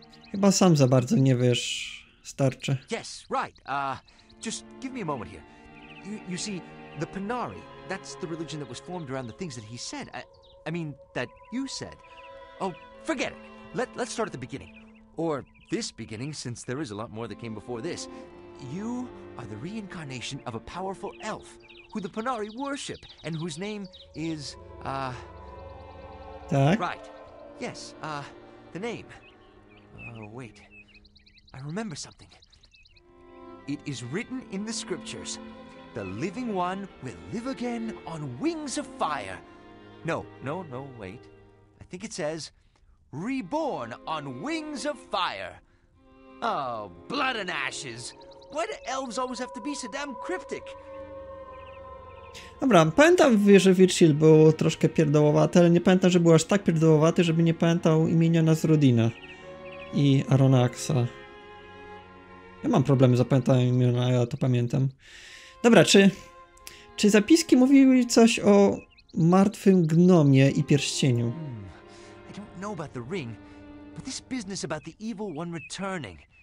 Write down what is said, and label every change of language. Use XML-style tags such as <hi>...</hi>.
<pl>Chyba sam za bardzo nie wiesz, starcze.</pl> <en>Yes, right. Just give me a moment here. You see, the Penari, that's the religion that was formed around the things that he said. I mean, that you said. Oh, forget it. Let's start at the beginning. Or this beginning, since there is a lot more that came before this. You are the reincarnation of a powerful elf who the Penari worship and whose name is,</en> <pl>Tak?</pl> <en>Right. Yes, the name. Oh, wait. I remember something. It is written in the scriptures. The living one will live again on wings of fire. No, wait. I think it says... Reborn on wings of fire. Oh, blood and ashes. Why do elves always have to be so damn cryptic?</en> <pl>Dobra, pamiętam, że Virchil był troszkę pierdołowaty, ale nie pamiętam, że był aż tak pierdołowaty, żeby nie pamiętał imienia Nasrudina i Arona Axa. Ja mam problemy z zapamiętaniem imienia, ja to pamiętam. Dobra, czy zapiski mówiły coś o martwym gnomie i pierścieniu?</pl> <en>I don't know about the ring, but this business about the evil one returning.</en>